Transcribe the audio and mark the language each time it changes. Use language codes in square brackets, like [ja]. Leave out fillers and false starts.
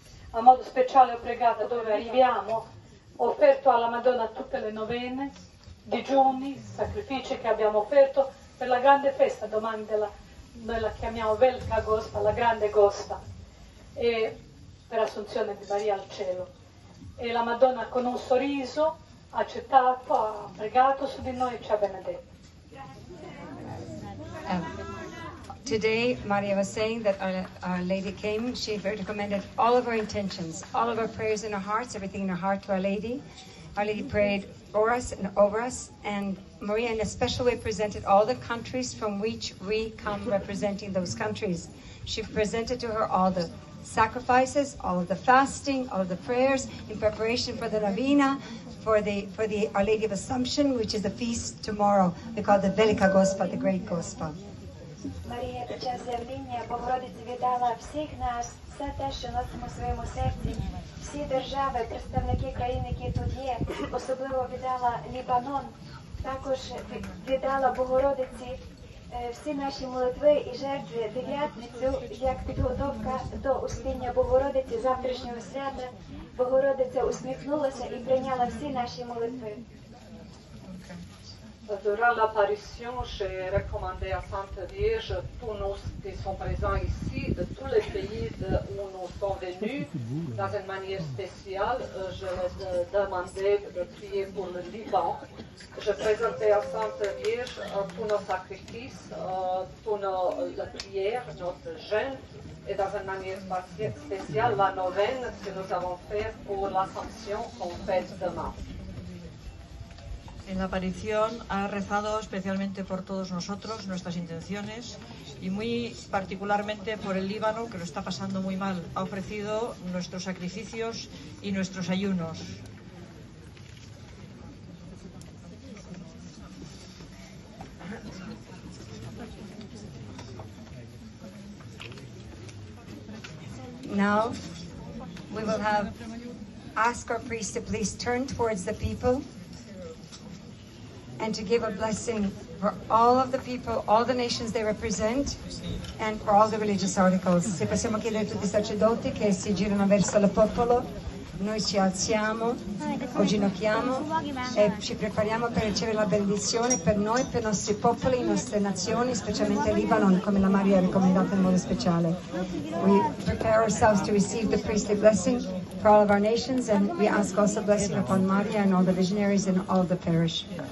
[it] A modo speciale ho pregato dove arriviamo, ho offerto alla Madonna tutte le novene, digiuni, sacrifici che abbiamo offerto per la grande festa, domani della, noi la chiamiamo Velka Gospa, la grande Gospa, e per Assunzione di Maria al cielo. E la Madonna con un sorriso ha accettato, ha pregato su di noi e ci ha benedetto. [en] Today, Maria was saying that our Lady came. She very commended all of her intentions, all of our prayers in our hearts, everything in our heart to Our Lady. Our Lady prayed for us and over us, and Maria in a special way presented all the countries from which we come representing those countries. She presented to her all the sacrifices, all of the fasting, all of the prayers in preparation for the Novena, for the Our Lady of Assumption, which is the feast tomorrow. We call the Velika Gospa, the Great Gospa. [uk] Марія під час з'явлення Богородиці вітала всіх нас, все те, що носимо в своєму серці, всі держави, представники країн, які тут є, особливо вітала Лібанон, також вітала Богородиці всі наші молитви і жертви, дев'ятницю, як підготовка до Успіння Богородиці завтрашнього свята. Богородиця усміхнулася і прийняла всі наші молитви. [fr] Durant l'apparition, j'ai recommandé à Sainte Vierge tous nous qui sont présents ici, de tous les pays où nous sommes venus, dans une manière spéciale, je leur ai demandé de prier pour le Liban. Je présentais à Sainte Vierge tous nos sacrifices, toutes nos prières, notre jeûne, et dans une manière spéciale, la novène que nous avons faite pour l'Assomption qu'on fête demain. [es] En la aparición ha rezado especialmente por todos nosotros, nuestras intenciones, y muy particularmente por el Líbano, que lo está pasando muy mal. Ha ofrecido nuestros sacrificios y nuestros ayunos. [en] Now we will ask our priest to please turn towards the people and to give a blessing for all of the people, all the nations they represent, and for all the religious articles. [it] Se possiamo chiedere a tutti i sacerdoti che si girano verso il popolo noi ci alziamo, ci ginocchiamo e ci prepariamo per ricevere la benedizione per noi, per i nostri popoli, le nostre nazioni, specialmente Libano, come la Maria ha ricomandato in modo speciale. [en] We prepare ourselves to receive the priestly blessing for all of our nations, and we ask also blessing upon Maria and all the visionaries and all the parish.